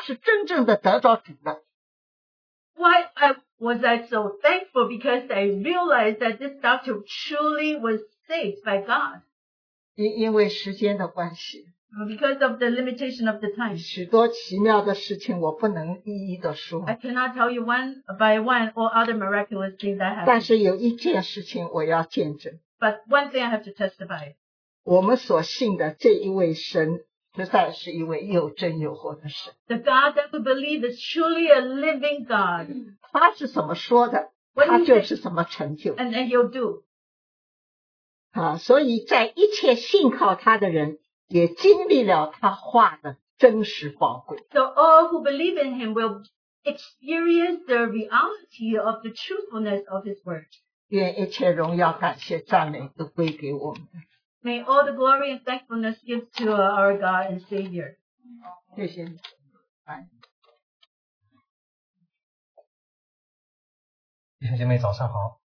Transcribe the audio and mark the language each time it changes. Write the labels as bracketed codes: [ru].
[zh] 因为感恩，因为我为他感恩的目的呢，就是因为他，我实在觉得他是真正的得着主的。 [en] Why was I so thankful? Because I realized that this doctor truly was saved by God. [zh] 因为时间的关系， [en] Because of the limitation of the time, [zh] 许多奇妙的事情我不能一一的说。 [en] I cannot tell you one by one all other miraculous things that happened. [zh] 但是有一件事情我要见证。 [en] But one thing I have to testify. [zh] 我们所信的这一位神 [en] The God that we believe is truly a living God. [zh] 他是怎么说的, [en] what do you think? And then he'll do. [zh] 所以在一切信靠他的人, 也经历了他话的真实宝贵。 [en] So all who believe in him will experience the reality of the truthfulness of his word. [zh] 愿一切荣耀感谢赞美都归给我们。 [en] May all the glory and thankfulness give to our God and Savior. [zh] 谢谢你。弟兄姐妹早上好。